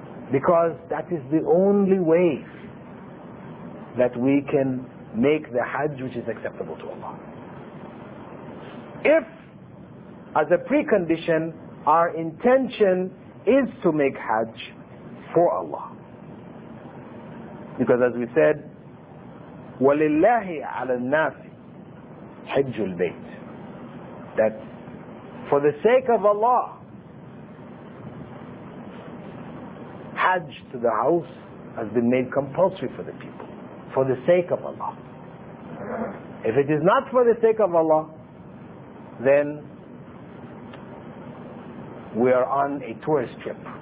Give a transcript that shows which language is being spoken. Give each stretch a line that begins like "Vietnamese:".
English: Because that is the only way that we can make the Hajj which is acceptable to Allah. If, as a precondition, our intention is to make Hajj for Allah. Because as we said,
Arabic: وَلِلَّهِ عَلَى النَّاسِ حِجُّ الْبَيْتِ.
English: That for the sake of Allah, Hajj to the house has been made compulsory for the people. For the sake of Allah. If it is not for the sake of Allah, then we are on a tourist trip.